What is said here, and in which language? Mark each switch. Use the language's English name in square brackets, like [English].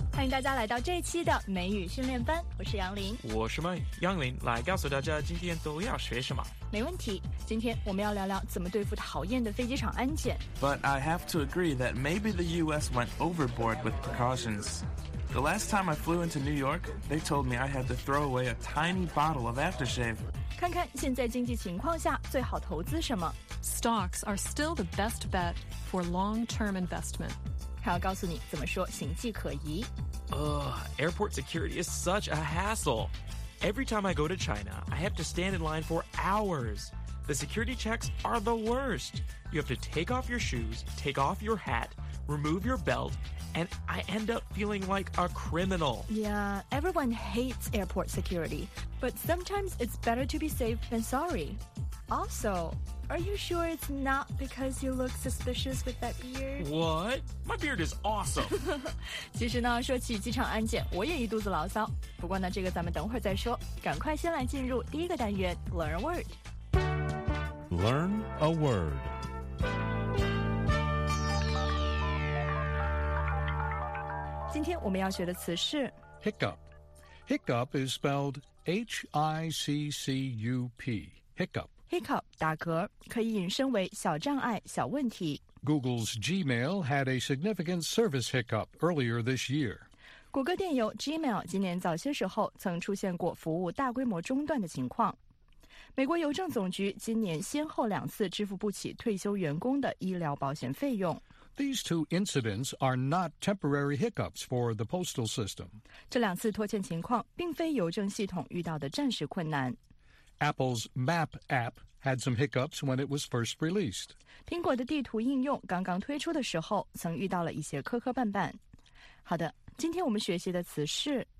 [Chinese] 大家来到这期的美语训练班，我是杨林。我是麦杨林，来告诉大家今天都要学什么。没问题，今天我们要聊聊怎么对付讨厌的飞机场安检。 [English] But I have to agree that maybe the US went overboard with precautions. The last time I flew into New York, they told me I had to throw away a tiny bottle of aftershave. [Chinese] 看看现在经济情况下最好投资什么。 [English] Stocks are still the best bet for long-term investment. [Chinese] 还要告诉你怎么说行迹可疑。 [English] Airport security is such a hassle. Every time I go to China, I have to stand in line for hours. The security checks are the worst. You have to take off your shoes, take off your hat, remove your belt, and I end up feeling like a criminal. Yeah, everyone hates airport security. But sometimes it's better to be safe than sorry. Also... Are you sure it's not because you look suspicious with that beard? What? My beard is awesome! [Chinese] 其实呢，说起机场安检，我也一肚子牢骚。不过呢，这个咱们等会儿再说。赶快先来进入第一个单元 , [English] Learn a Word. Learn a Word. Today, [Chinese] 我们要学的词是 [English] Hiccup. Hiccup is spelled H-I-C-C-U-P. Hiccup. [Chinese] Hiccup, 打嗝,可以引申为小障碍,小问题。 [English] Google's Gmail had a significant service hiccup earlier this year. [Chinese] 谷歌电邮 Gmail 今年早些时候曾出现过服务大规模中断的情况。美国邮政总局今年先后两次支付不起退休员工的医疗保险费用。 [English] These two incidents are not temporary hiccups for the postal system. [Chinese] 这两次拖欠情况并非邮政系统遇到的暂时困难。 [English] Apple's Map app had some hiccups when it was first released. [Chinese] 苹果的地图应用刚刚推出的时候曾遇到了一些磕磕绊绊。好的，今天我们学习的词是